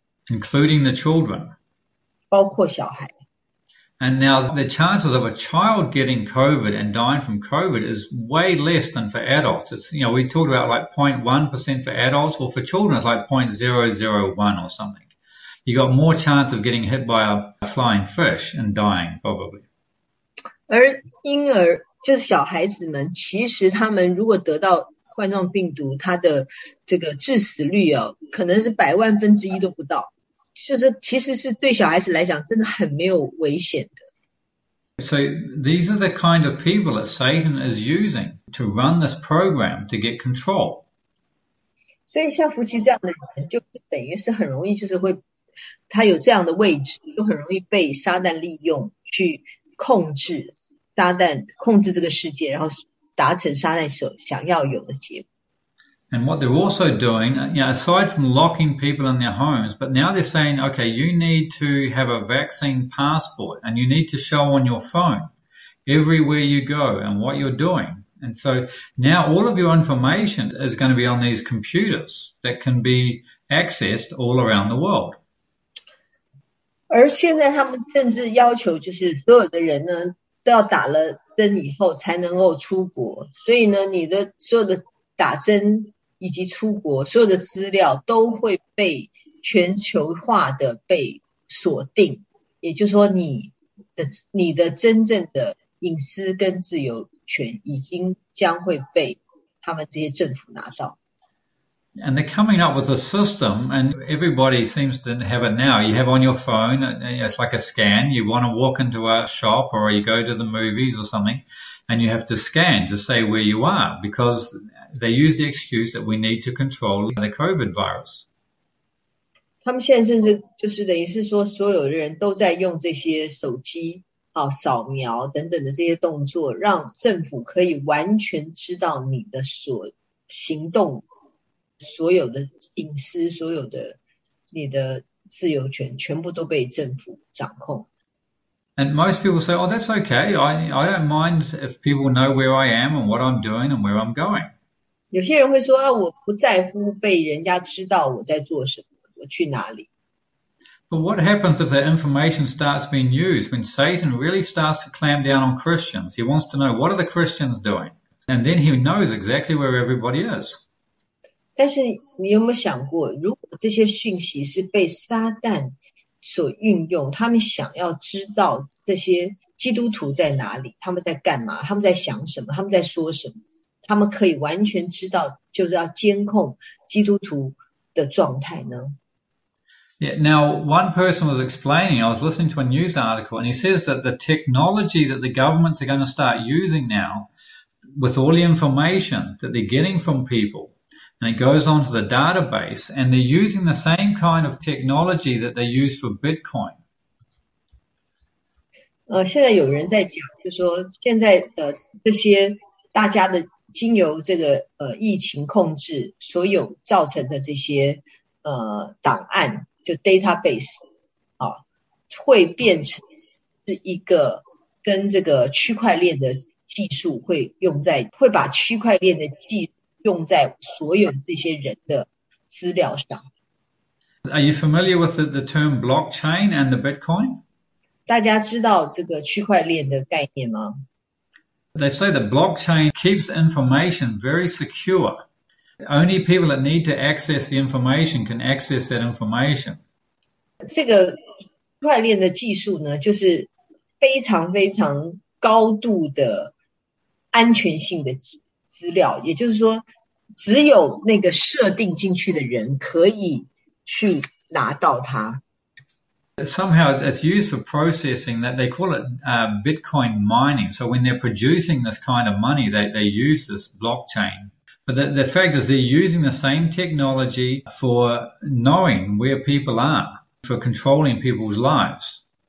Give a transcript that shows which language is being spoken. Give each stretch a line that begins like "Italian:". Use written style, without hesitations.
English: Including the children.
Chinese: 包括小孩。
English: And now the chances of a child getting COVID and dying from COVID is way less than for adults. It's, we talked about like 0.1% for adults, or for children, it's like 0.001 or something. You got more chance of getting hit by a flying fish and dying, probably.
Chinese: 而婴儿就是小孩子们，其实他们如果得到冠状病毒，他的这个致死率啊，可能是百万分之一都不到，就是其实是对小孩子来讲，真的很没有危险的。
English: So these are the kind of people that Satan is using to run this program to get control.
Chinese: 所以像福奇这样的人，就等于是很容易，就是会他有这样的位置，就很容易被撒旦利用去。控制撒旦，控制这个世界，然后达成撒旦所想要有的结果。
English: And what they're also doing, aside from locking people in their homes, but now they're saying, okay, you need to have a vaccine passport and you need to show on your phone everywhere you go and what you're doing. And so now all of your information is going to be on these computers that can be accessed all around the world.
Chinese: 而现在，他们甚至要求，就是所有的人呢，都要打了针以后才能够出国。所以呢，你的所有的打针以及出国所有的资料都会被全球化的被锁定。也就是说，你的真正的隐私跟自由权已经将会被他们这些政府拿到。
English: And they're coming up with a system, and everybody seems to have it now. You have on your phone, it's like a scan. You want to walk into a shop or you go to the movies or something, and you have to scan to say where you are because they use the excuse that we need to control the COVID virus.
Chinese: 他们现在甚至就是等于是说，所有的人都在用这些手机啊、扫描等等的这些动作，让政府可以完全知道你的所行动、所有的隐私、所有的你的自由权，全部都被政府掌控。
English: And most people say, oh, that's okay. I don't mind if people know where I am and what I'm doing and where I'm going.
Chinese: 有些人会说啊，我不在乎被人家知道我在做什么。去哪里？
English: But what happens if that information starts being used when Satan really starts to clamp down on Christians? He wants to know what are the Christians doing? And then he knows exactly where everybody is.
Chinese: 但是你有没有想过，如果这些讯息是被撒旦所运用，他们想要知道这些基督徒在哪里，他们在干嘛，他们在想什么，他们在说什么，他们可以完全知道，就是要监控基督徒的状态呢？
English: Now, one person was explaining, I was listening to a news article, and he says that the technology that the governments are going to start using now, with all the information that they're getting from people, and it goes onto the database, and they're using the same kind of technology that they use for Bitcoin.
Chinese: 现在有人在讲，就说现在这些大家的经由这个疫情控制所有造成的这些档案，就 database 啊，会变成是一个跟这个区块链的技术会用在，会把区块链的技用在所有这些人的资料上。
English: Are you familiar with the term blockchain and the Bitcoin?
Chinese: 大家知道这个区块链的概念吗？
English: They say that blockchain keeps information very secure. Only people that need to access the information can access that information.
Chinese: 这个区块链的技术呢，就是非常非常高度的安全性的资料，也就是说，只有那个设定进去的人可以去拿到它。
English: Somehow it's used for processing that they call it Bitcoin mining. So when they're producing this kind of money, they use this blockchain. But the fact is, they're using the same technology for knowing where people are, for controlling people's lives.